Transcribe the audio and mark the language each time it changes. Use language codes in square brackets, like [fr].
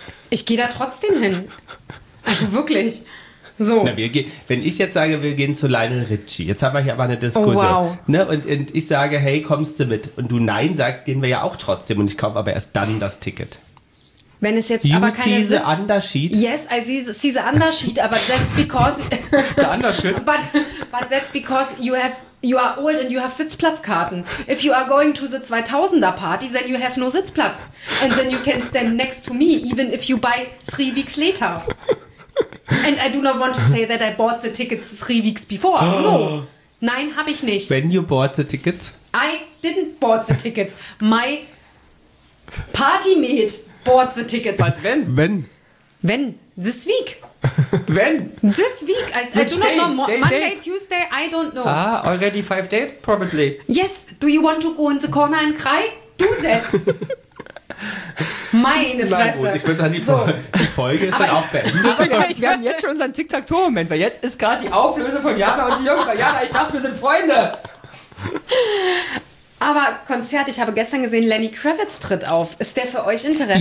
[de] Ich gehe da trotzdem hin. Also wirklich. So. Na, wenn ich jetzt sage, wir gehen zu Lionel Richie, jetzt haben wir hier aber eine Diskussion. [en] Oh, wow. [de] Ne? Und ich sage, hey, kommst du mit? Und du Nein sagst, gehen wir ja auch trotzdem. Und ich kaufe aber erst dann das Ticket. Wenn es jetzt you aber keine... [en] See the Undersheet? Yes, I see the Undersheet, [de] aber [en] that's because... The Undersheet? But that's because you are old and you have Sitzplatzkarten. If you are going to the 2000er Party, then you have no Sitzplatz. And then you can stand next to me, even if you buy 3 weeks later. And I do not want to say that I bought the tickets 3 weeks before. Oh. No. [de] Nein, habe ich nicht. [en] When you bought the tickets? I didn't bought the tickets. My partymate bought the tickets. But when? When? When? This week. When? This week. Monday, Tuesday, I don't know. Ah, already 5 days probably. Yes. Do you want to go in the corner and cry? Do that. [de] Meine Fresse. Ich würde sagen, die Folge ist dann auch beendet. Wir haben jetzt schon unseren TikTok-Tor-Moment, weil jetzt ist gerade die Auflösung von Jana und die Jungfrau. Jana, ich dachte, wir sind Freunde. Aber Konzert, ich habe gestern gesehen, Lenny Kravitz tritt auf. Ist der für euch interessant?